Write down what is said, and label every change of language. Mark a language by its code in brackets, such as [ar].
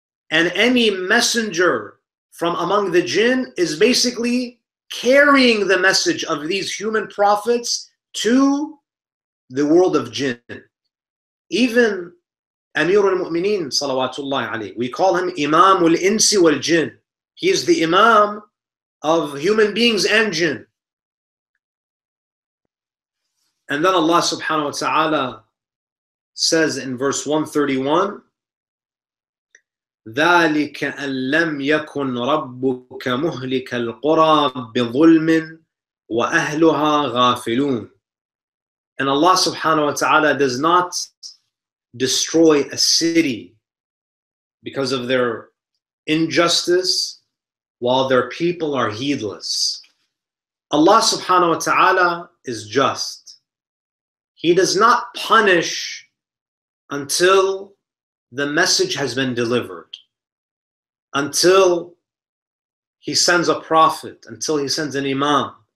[en] And any messenger from among the jinn is basically carrying the message of these human prophets to the world of jinn. Even Amir al-Mu'mineen, salawatullahi alayhi, we call him Imam al-Insi wal-Jinn. He is the Imam of human beings and jinn. And then Allah subhanahu wa ta'ala says in verse 131, [ar] ذَلِكَ أَنْ لَمْ يَكُنْ رَبُّكَ مُهْلِكَ الْقُرَى بِظُلْمٍ وَأَهْلُهَا غَافِلُونَ. [en] And Allah subhanahu wa ta'ala does not destroy a city because of their injustice while their people are heedless. Allah subhanahu wa ta'ala is just. He does not punish until the message has been delivered, until he sends a prophet, until he sends an imam.